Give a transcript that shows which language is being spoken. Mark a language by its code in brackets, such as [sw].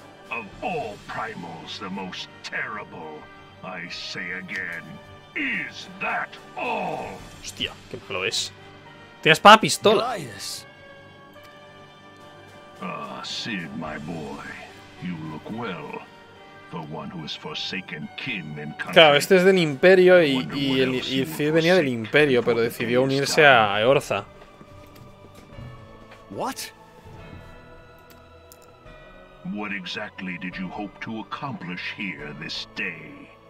[en] Of all primals, the most terrible, I say again. Is that all? [es] Hostia, qué malo es. ¡Tiene espada pistola! [en] Gaius. Ah, Sid, my boy. You look well. For one who is forsaken kin and country. [es] Claro, este es del Imperio y el Cid venía del Imperio, pero decidió unirse a Eorza. [en] What exactly did you hope to accomplish here this day?